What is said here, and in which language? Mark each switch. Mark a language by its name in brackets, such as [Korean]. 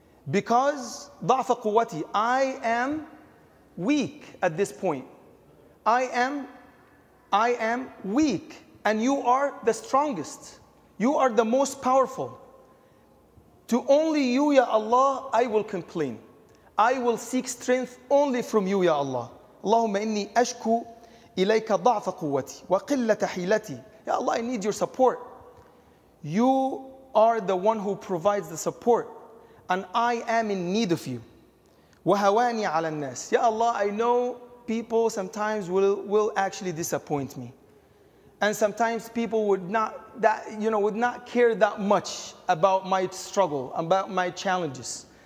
[English] Because [Arabic] ضَعْفَ قُوَّتِي, [English] I am weak at this point. I am weak, and you are the strongest. You are the most powerful. To only you, Ya Allah, I will complain. I will seek strength only from you, Ya Allah. [Arabic] اللهم إني أشكو إليك ضعف قوتي وقلة حيلتي. [English] Ya Allah, I need your support. You are the one who provides the support, and I am in need of you. [Arabic] وهواني على الناس. [English] Ya Allah, I know people sometimes will actually disappoint me, and sometimes people would not care that much about my struggle, about my challenges.